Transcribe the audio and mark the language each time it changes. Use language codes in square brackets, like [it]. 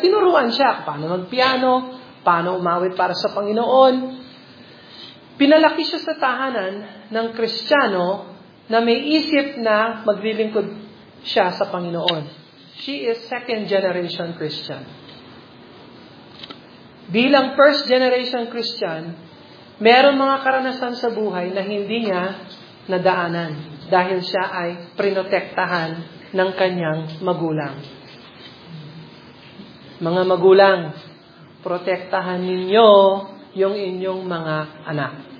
[tl] Tinuruan siya paano mag-piano, paano umawit para sa Panginoon. Pinalaki siya sa tahanan ng Kristiyano na may isip na maglilingkod siya sa Panginoon. [en] She is second generation Christian. [tl] Bilang first generation Christian, meron mga karanasan sa buhay na hindi niya nadaanan dahil siya ay prinotektahan ng kanyang magulang. Mga magulang, protektahan ninyo yung inyong mga anak.